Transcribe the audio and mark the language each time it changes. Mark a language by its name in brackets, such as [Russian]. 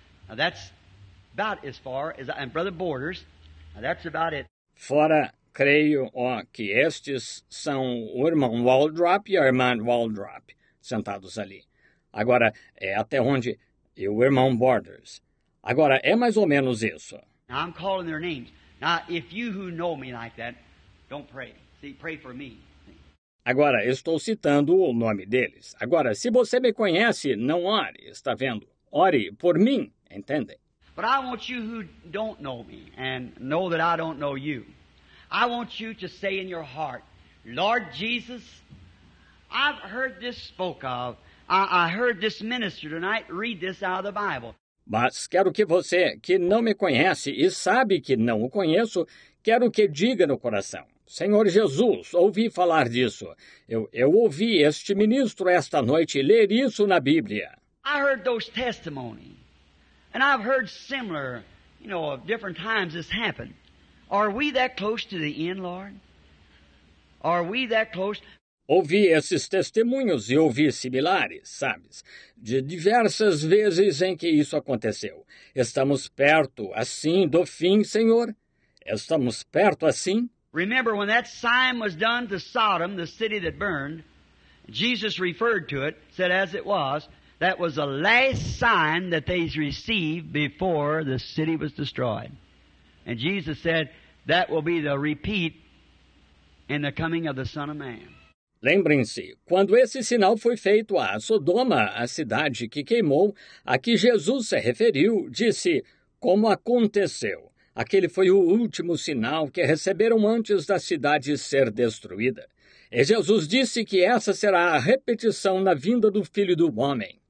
[English] Now that's about as far as, and Brother Borders, now that's about it. [Portuguese] Fora, creio, ó, que estes são o irmão Waldrop e a irmã Waldrop, sentados ali. Agora, é até onde, e o irmão Borders. Agora, é mais ou menos isso. [English] Now, I'm calling their names. Now, if you who know me like that, don't pray. See, pray for me. [Portuguese] Agora, estou citando o nome deles. Agora, se você me conhece, não ore, está vendo? Ore por mim, entende? [English] But I want you who don't know me and know that I don't know you. I want you to say in your heart, Lord Jesus, I've heard this spoke of. I heard this minister tonight read this out of the Bible. [Portuguese] Mas quero que você, que não me conhece e sabe que não o conheço, quero que diga no coração. Senhor Jesus, ouvi falar disso. Eu ouvi este ministro esta noite ler isso na Bíblia. [English] I heard those testimonies. And I've heard similar, you know, of different times this happened. Are we that close to the end, Lord? Are we that close? [Portuguese] Ouvi esses testemunhos e ouvi similares, sabes, de diversas vezes em que isso aconteceu. Estamos perto, assim, do fim, Senhor? Estamos perto, assim? [English] Remember, when that sign was done to Sodom, the city that burned, Jesus referred to it, said, as it was, that was the last sign that they received before the city was destroyed. And Jesus said, that will be the repeat in the coming of the Son of Man. [Portuguese] Lembrem-se, quando esse sinal foi feito a Sodoma, a cidade que queimou, a que Jesus se referiu, disse, como aconteceu? Aquele foi o último sinal que receberam antes da cidade ser destruída. E Jesus disse que essa será a repetição na vinda do Filho do Homem.